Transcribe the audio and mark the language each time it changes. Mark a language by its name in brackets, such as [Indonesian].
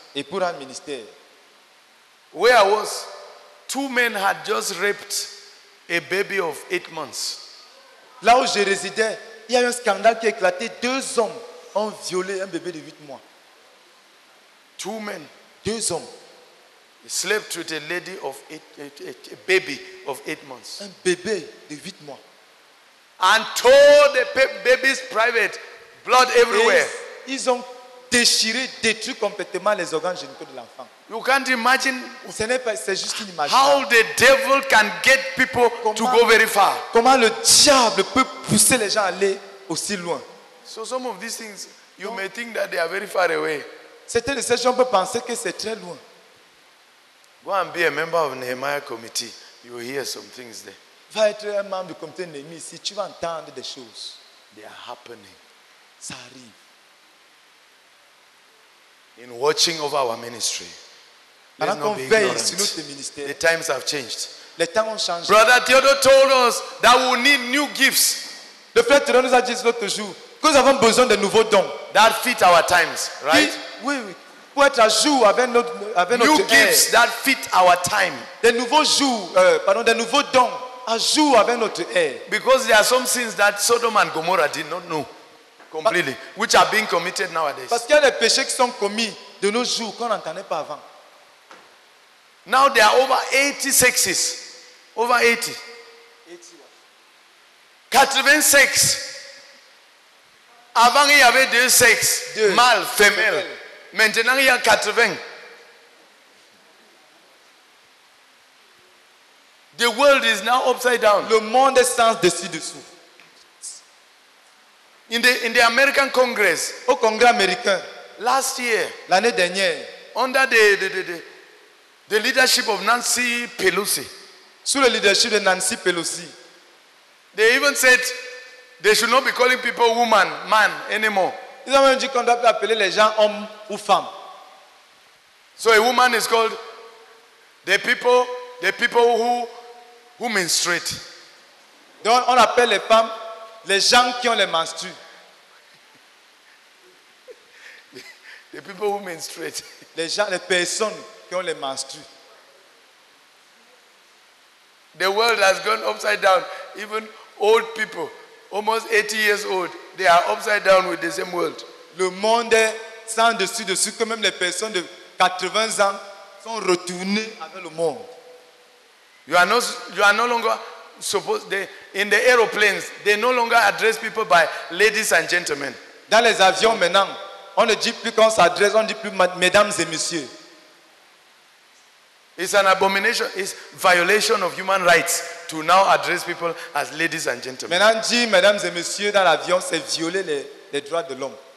[French] Et pour un ministère. [English] Where I was, two men had just raped a baby of 8 months. [French] Là où je résidais, il y a eu un scandale qui a éclaté. Deux hommes ont violé un bébé de 8 mois. [English] Two men, [French] deux hommes. [English] He slept with a lady of a baby of 8 months. [French] Un bébé de 8 mois. [English] And tore the baby's private, blood everywhere. [French] Ils ont déchiré, détruit complètement les organes génitaux de l'enfant. [English] You can't imagine. [French] Ce n'est pas, c'est juste une image. [English] How the devil can get people to go very far? [French] Comment le diable peut pousser les gens à aller aussi loin? [English] So some of these things, you may think that they are very far away. [French] Certains de ces gens peuvent penser que c'est très loin. [English] Go and be a member of Nehemiah committee. You will hear some things there. [French] Va être un membre du comité de Nehemiah ici. Tu vas entendre des choses. [English] They are happening. [French] Ça arrive. [English] In watching over our ministry. [French] Pendant qu'on veille sur notre ministère. [English] The times have changed. [French] Les temps ont changé. [English] Brother Theodore told us that we need new gifts. [French] Le frère Theodore nous a dit l'autre jour que nous avons besoin de nouveaux dons. [English] That fit our times, right? [French] Oui. Pour être à jour avec [English] new gifts that fit our time. [French] Des nouveaux jours, des nouveaux dons à jour avec notre ère. [English] Because there are some sins that Sodom and Gomorrah did not know completely, which are being committed nowadays. [French] Parce qu'il y a des péchés qui sont commis de nos jours qu'on n'en connaît pas avant. [English] Now there are over 80 sexes. Over 80. [French] 80 sexes. Avant il y avait deux sexes, mâle, femelle. Maintenant, il y a 80. [English] The world is now upside down. [French] Le monde est sans dessus-dessous. [English] In the American Congress, [French] au Congrès américain, [English] last year, [French] l'année dernière, [English] under the leadership of Nancy Pelosi, [French] sous le leadership de Nancy Pelosi, [English] they even said they should not be calling people woman, man anymore. [French] Ils ont même dit qu'on doit appeler les gens hommes ou femmes. [English] So a woman is called the people who menstruate. [French] Donc on appelle les femmes les gens qui ont les menstrues. [English] The people who menstruate. [French] Les gens, les personnes qui ont les menstrues. [English] The world has gone upside down. Even old people, almost 80 years old, they are upside down with the same world. [French] Le monde est sans dessus dessus que même les personnes de 80 ans sont retournées avec le monde. [English] You are no longer supposed to, in the aeroplanes, they no longer address people by ladies and gentlemen. [French] Dans les avions maintenant, on ne dit plus qu'on s'adresse, on ne dit plus mesdames et messieurs. [English] It's an abomination. It's violation of human rights to now address people as ladies and gentlemen. [French] Maintenant, dit, mesdames et messieurs, dans l'avion, c'est violer les droits de l'homme.